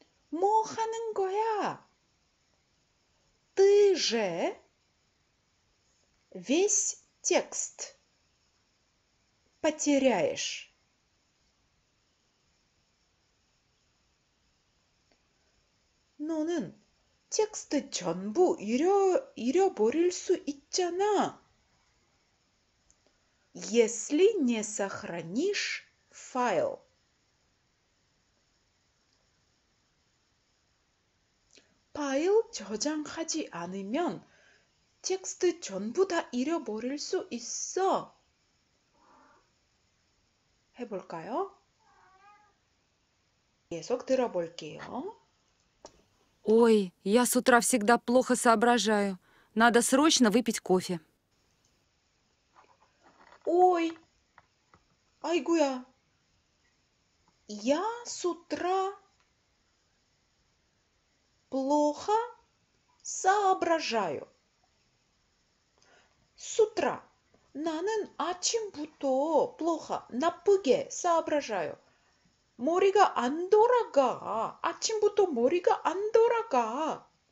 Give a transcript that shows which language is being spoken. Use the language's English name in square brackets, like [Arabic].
[Korean] 뭐 하는 거야? [Russian] Ты же весь текст потеряешь. [Korean] 너는 텍스트 전부 잃어버릴 수 있잖아. [Russian] Если не сохранишь файл. [Korean] 파일 저장하지 않으면 텍스트 전부 다 잃어버릴 수 있어. 해볼까요? 계속 들어볼게요. [Russian] Ой, я с утра всегда плохо соображаю. Надо срочно выпить кофе. Ой, айгуя, я с утра плохо соображаю. С утра. [Korean] 나는 아침부터 [Russian] плохо, [Korean] 나쁘게 [Russian] соображаю. [Korean] 머리가 안 돌아가. 아침부터 머리가 안 돌아가.